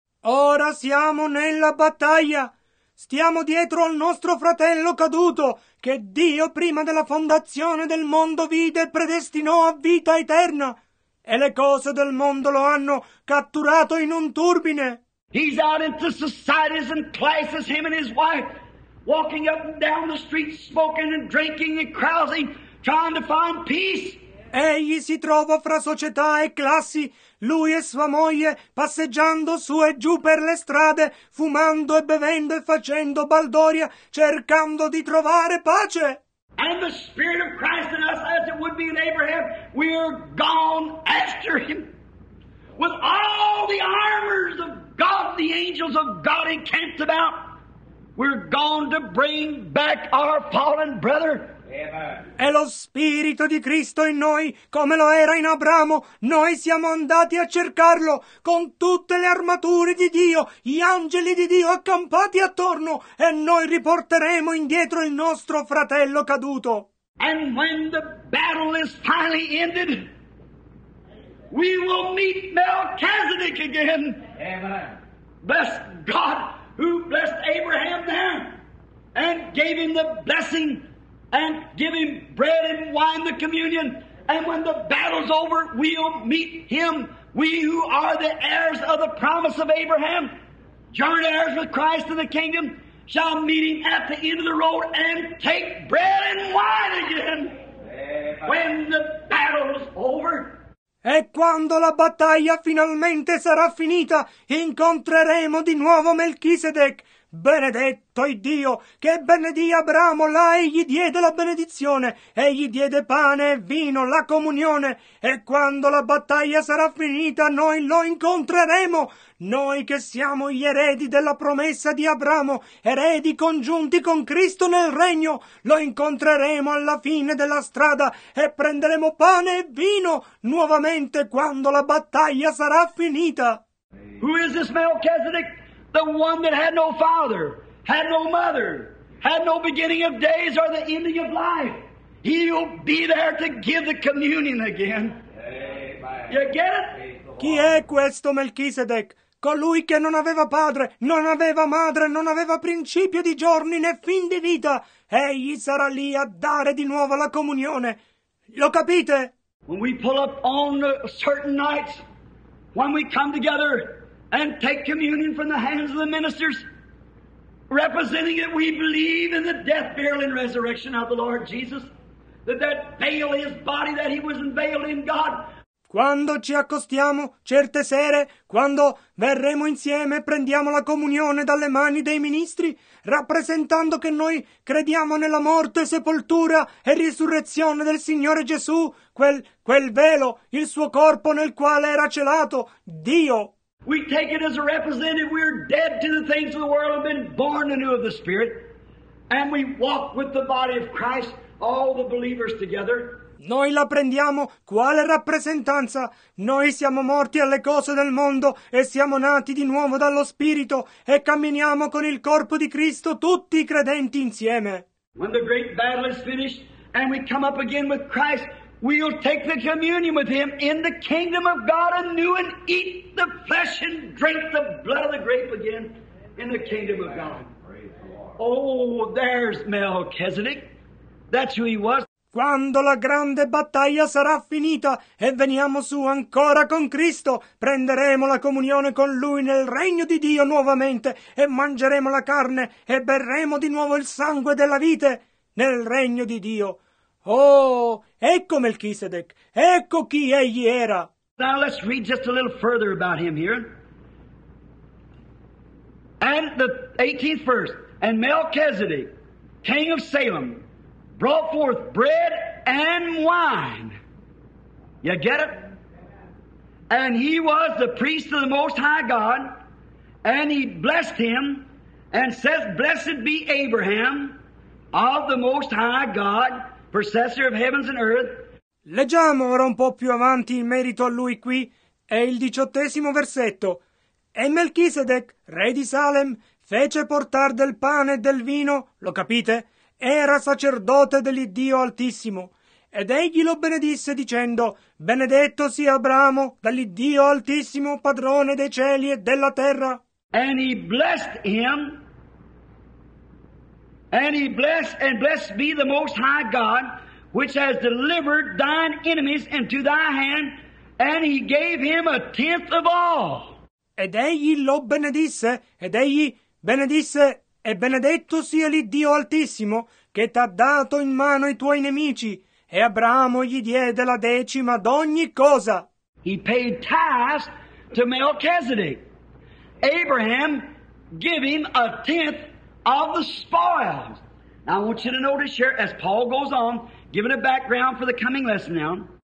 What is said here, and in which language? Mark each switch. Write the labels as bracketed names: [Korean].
[Italian] Ora siamo nella battaglia. Stiamo dietro al nostro fratello caduto, che Dio prima della fondazione del mondo vide e predestinò a vita eterna. E le cose del mondo lo hanno catturato in un turbine. [English] He's out into societies and classes, him and his wife, walking up and down the street, smoking and drinking and carousing, trying to find peace. [Italian] Egli si trova fra società e classi, lui e sua moglie, passeggiando su e giù per le strade, fumando e bevendo e facendo baldoria, cercando di trovare pace. [English] And the Spirit of Christ in us, as it would be in Abraham, we are gone after him. With all the armors of God, the angels of God encamped about, we're gone to bring back our fallen brother. [Italian] E lo Spirito di Cristo in noi, come lo era in Abramo, noi siamo andati a cercarlo con tutte le armature di Dio, gli angeli di Dio accampati attorno, e noi riporteremo indietro il nostro fratello caduto. [English] And when the battle is finally ended, we will meet Melchizedek again. Amen. Bless God who blessed Abraham there and gave him the blessing and give him bread and wine, the communion. And when the battle's over, we'll meet him. We who are the heirs of the promise of Abraham, joint heirs with Christ in the kingdom, shall meet him at the end of the road and take bread and wine again. Amen. When the battle's over. [Italian] E quando la battaglia finalmente sarà finita, incontreremo di nuovo Melchisedec. Benedetto è Dio che benedì Abramo, là egli diede la benedizione, egli diede pane e vino, la comunione. E quando la battaglia sarà finita, noi lo incontreremo, noi che siamo gli eredi della promessa di Abramo, eredi congiunti con Cristo nel regno, lo incontreremo alla fine della strada e prenderemo pane e vino nuovamente quando la battaglia sarà finita. [English] Who is this Melchizedek? The one that had no father, had no mother, had no beginning of days or the ending of life. He'll be there to give the communion again. Amen. You get it? [Italian] Chi è questo Melchisedec? Colui che non aveva padre, non aveva madre, non aveva principio di giorni né fin di vita. Egli sarà lì a dare di nuovo la comunione. Lo capite? [English] When we pull up on certain nights, when we come together and take communion from the hands of the ministers, representing that we believe in the death, burial, and resurrection of the Lord Jesus, that veil is body that he was unveiled in God. [Italian] Quando ci accostiamo certe sere, quando verremo insieme, prendiamo la comunione dalle mani dei ministri, rappresentando che noi crediamo nella morte, sepoltura e risurrezione del Signore Gesù, quel velo, il suo corpo nel quale era celato Dio. [English] We take it as a representative. We're dead to the things of the world and been born anew of the Spirit. And we walk with the body of Christ, all the believers together. [Italian] Noi la prendiamo quale rappresentanza? Noi siamo morti alle cose del mondo e siamo nati di nuovo dallo Spirito e camminiamo con il corpo di Cristo tutti i credenti insieme. [English] When the great battle is finished and we come up again with Christ, we'll take the communion with him in the kingdom of God anew and eat the flesh and drink the blood of the grape again in the kingdom of God. Oh, there's Melchizedek. That's who he was. [Italian] Quando la grande battaglia sarà finita e veniamo su ancora con Cristo, prenderemo la comunione con Lui nel regno di Dio nuovamente e mangeremo la carne e berremo di nuovo il sangue della vite nel regno di Dio. Oh, ecco Melchisedec, ecco chi egli era. [English] Now let's read just a little further about him here. And the 18th verse, and Melchizedek, king of Salem, brought forth bread and wine. You get it? And he was the priest of the Most High God, and he blessed him, and says, blessed be Abraham of the Most High God, possessor of heavens and earth. [Italian] Leggiamo ora un po' più avanti in merito a lui qui, è il 18° versetto. E Melchisedec, re di Salem, fece portar del pane e del vino, lo capite? Era sacerdote dell'Iddio Altissimo. Ed egli lo benedisse dicendo, benedetto sia Abramo dall'Iddio Altissimo, padrone dei cieli e della terra. [English] And he blessed him. And he blessed, and blessed be the Most High God, which has delivered thine enemies into thy hand, and he gave him a tenth of all. [Italian] Ed egli lo benedisse, ed egli benedisse, e benedetto sia l'Iddio Altissimo, che t'ha dato in mano i tuoi nemici, e Abramo gli diede la decima d'ogni cosa. [English] He paid tithes to Melchizedek. Abraham gave him a tenth of the spoils. Now I want you to notice here, as Paul goes on, giving a background for the coming lesson now.